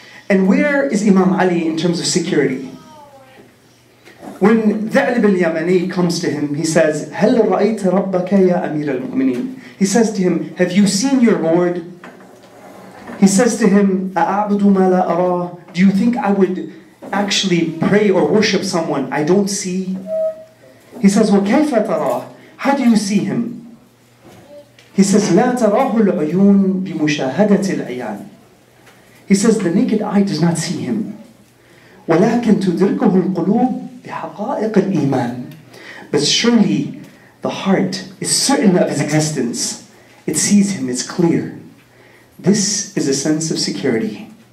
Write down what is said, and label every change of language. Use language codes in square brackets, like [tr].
[en] And where is Imam Ali in terms of security? When Thalib al-Yamani comes to him, he says, [ar] هَلْ رَأَيْتَ رَبَّكَ يَا أَمِيرَ الْمُؤْمِنِينَ. [en] He says to him, have you seen your Lord? He says to him, [ar] أَعْبُدُ مَا لَا أَرَىٰ. [en] Do you think I would actually pray or worship someone I don't see? He says, [ar] وَكَيْفَ تَرَاهُ. [en] How do you see him? He says, [ar] لَا تَرَاهُ الْعُيُونَ بِمُشَاهَدَةِ الْعِيَانِ. [en] He says, the naked eye does not see him. [ar] وَلَكِنْ تُدْرِكُهُ الْقُلُوبِ بِحَقَائِقِ الْإِيمَانِ. [en] But surely, the heart is certain of his existence. It sees him, it's clear. This is a sense of security.